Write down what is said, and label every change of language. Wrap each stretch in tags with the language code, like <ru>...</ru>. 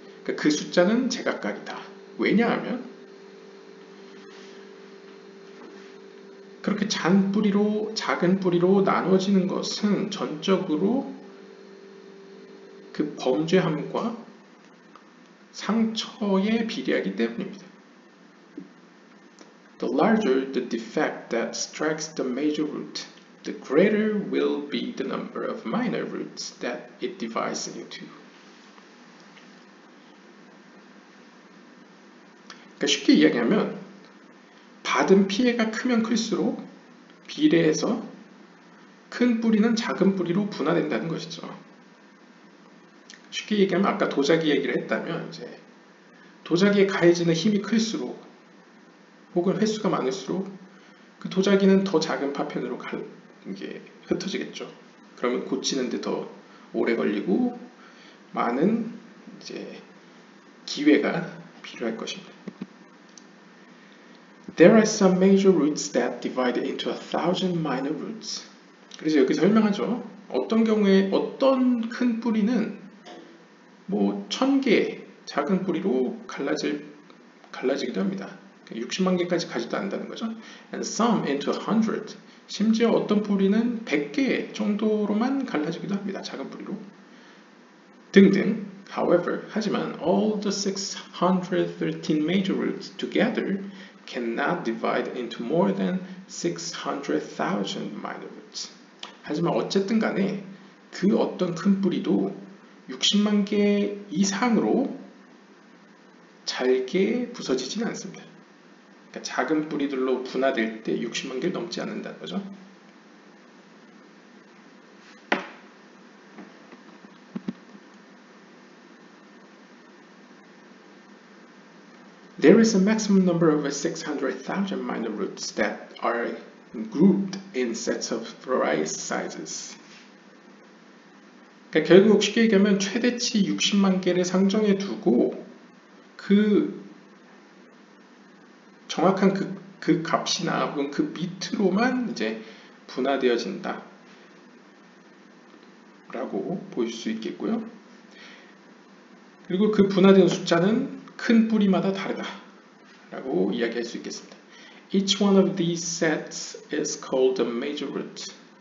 <ko>그 숫자는 제각각이다. 왜냐하면 그렇게 작은 뿌리로 나눠지는 것은 전적으로 그 범죄함과 상처에 비례하기 때문입니다.</ko> <en>The larger the defect that strikes the major root, the greater will be the number of minor roots that it divides into.</en> <ko>그러니까 쉽게 이야기하면 받은 피해가 크면 클수록 비례해서 큰 뿌리는 작은 뿌리로 분화된다는 것이죠. 쉽게 얘기하면 아까 도자기 얘기를 했다면 이제 도자기에 가해지는 힘이 클수록 혹은 횟수가 많을수록 그 도자기는 더 작은 파편으로 이게 흩어지겠죠. 그러면 고치는 데 더 오래 걸리고 많은 이제 기회가 필요할 것입니다.</ko> <en>There are some major roots that divide into a thousand minor roots.</en> <ko>그래서 여기 설명하죠. 어떤 경우에 어떤 큰 뿌리는 뭐 천 개 작은 뿌리로 갈라지기도 합니다. 60만 개까지 가지도 않는다는 거죠.</ko> <en>And some into a hundred.</en> <ko>심지어 어떤 뿌리는 100개 정도로만 갈라지기도 합니다. 작은 뿌리로. 등등.</ko> <en>However,</en> <ko>하지만</ko> <en>all the 613 major roots together cannot divide into more than 600,000 minor roots.</en> <ko>하지만 어쨌든 간에 그 어떤 큰 뿌리도 60만 개 이상으로 잘게 부서지진 않습니다. 그러니까 작은 뿌리들로 분화될 때 60만 개를 넘지 않는다는 거죠.</ko> <en>There is a maximum number of 600,000 minor roots that are grouped in sets of various sizes.</en> <ko>그러니까 결국 쉽게 얘기하면 최대치 60만 개를 상정해 두고 그 정확한 그 값이나 혹은 그 밑으로만 이제 분화되어진다 라고 볼 수 있겠고요. 그리고 그 분화된 숫자는 큰 뿌리마다 다르다 라고 이야기할 수 있겠습니다.</ko> <en>Each one of these sets is called a major root.</en>